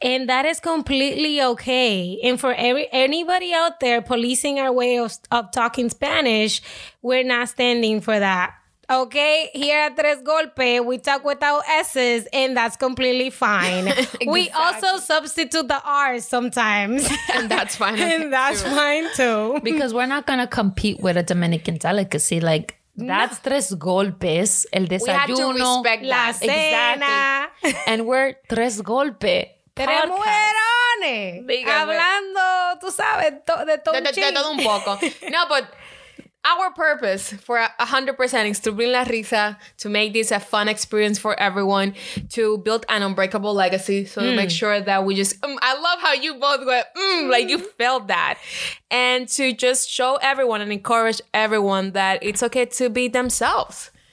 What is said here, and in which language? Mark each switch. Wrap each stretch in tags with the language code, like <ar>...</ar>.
<en>And that is completely okay. And for anybody out there policing our way of talking Spanish, we're not standing for that. Okay, here at Tres Golpe, we talk without S's, and that's completely fine. Exactly. We also substitute the R's sometimes. And that's fine. And that's too. Fine, too. Because we're not going to compete with a Dominican delicacy. Like, that's no.</en> <es>Tres Golpes, el desayuno.</es> <en>We have to respect</en> <es>la</es> <en>that.</en> <es>Cena.</es> <en>Exactly. And we're Tres Golpe.</en> <es>Tres mujerones. Hablando, tú sabes, de todo un ching. De todo un poco.</es> <en>No, but our purpose for 100% is to bring la risa, to make this a fun experience for everyone, to build an unbreakable legacy. So to make sure that we just, I love how you both went, like you felt that. And to just show everyone and encourage everyone that it's okay to be themselves.</en>